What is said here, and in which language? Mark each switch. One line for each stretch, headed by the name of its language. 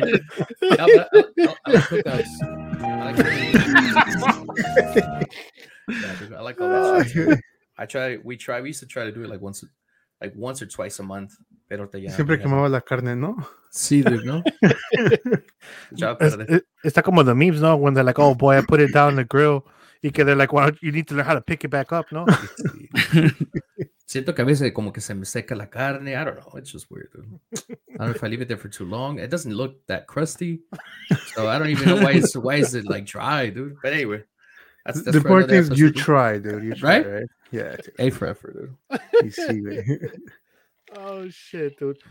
English: I like all that shit. We used to try to do it like once or twice a month.
Spanish: Pero te llamo, siempre quemaba la carne, ¿no? Sí, dude, ¿no? Está como
English: the memes,
Spanish: ¿no?
English: When they're like, oh, boy, I put it down the grill.
Spanish: Y que
English: they're like, well, you need to learn how to pick it back up, ¿no?
Spanish: Sí. Siento que a veces como que se me seca la carne.
English: I don't know. It's just weird, dude. I don't know if I leave it there for too long. It doesn't look that crusty. So I don't even know why is it like dry, dude. But anyway. That's the important thing is you try, dude. You try, right? Yeah. Dude. A for effort, dude. You see me. Oh shit, dude!